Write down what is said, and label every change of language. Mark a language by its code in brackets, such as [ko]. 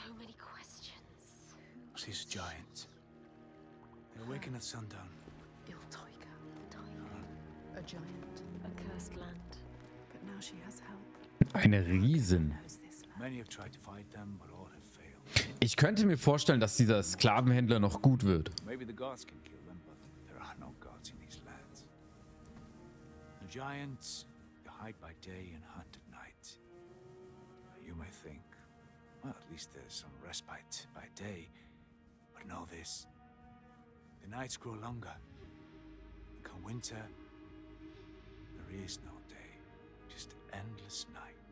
[en] So many questions. She's a giant. They awaken at sundown. Ildtoiga. Ildtoiga. A giant. A cursed land. But now she has help. [de] Eine Riesen. [en] Many have tried to fight them, but all have failed. [de] Ich könnte mir vorstellen, dass dieser Sklavenhändler noch gut wird. [en] Maybe the gods can kill them, but there are no gods in these lands. The giants, they hide by day and hunt at night. You may think, well, at least there's some respite by day. But know this, the nights grow longer. And come winter, there is no day, just endless night.